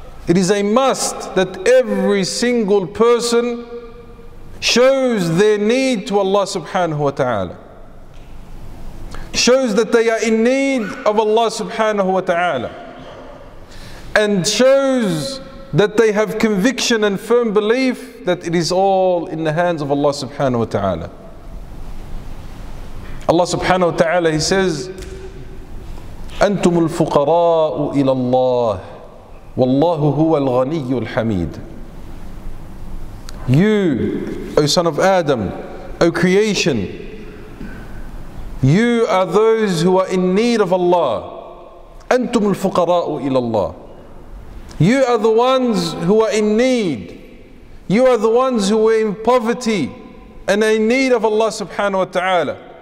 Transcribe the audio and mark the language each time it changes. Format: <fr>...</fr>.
<en>It is a must that every single person shows their need to Allah subhanahu wa ta'ala. Shows that they are in need of Allah subhanahu wa ta'ala. And shows that they have conviction and firm belief that it is all in the hands of Allah subhanahu wa ta'ala.</en> <ar>Allah subhanahu wa ta'ala,</ar> <en>He says,</en> <ar>أَنْتُمُ الْفُقَرَاءُ إِلَى اللَّهِ وَاللَّهُ هُوَ الْغَنِيُّ الْحَمِيدُ.</ar> <en>You, O son of Adam, O creation, you are those who are in need of Allah.</en> <ar>أَنْتُمُ الْفُقَرَاءُ إِلَى اللَّهِ.</ar> <en>You are the ones who are in need. You are the ones who are in poverty and in need of Allah subhanahu wa ta'ala.</en>